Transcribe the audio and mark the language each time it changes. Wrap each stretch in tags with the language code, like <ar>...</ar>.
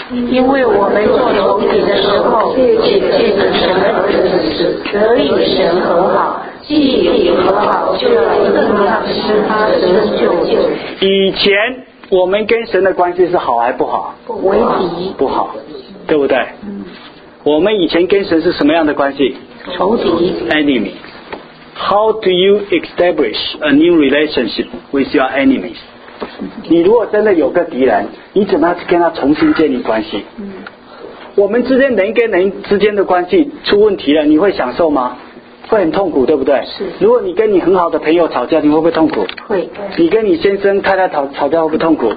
<zh>因为我们做仇敌的时候，却借着神儿子的死得以神和好，既已和好，就要更要施他神的救济。以前我们跟神的关系是好还不好？为敌。不好，对不对？我们以前跟神是什么样的关系？仇敌。</zh> <en>Enemy。 How do you establish a new relationship with your enemies?</en> <zh>你如果真的有个敌人，你怎么样跟他重新建立关系？我们之间人跟人之间的关系出问题了，你会享受吗？会很痛苦，对不对？是。如果你跟你很好的朋友吵架，你会不会痛苦？会。你跟你先生太太吵架会不会痛苦？</zh>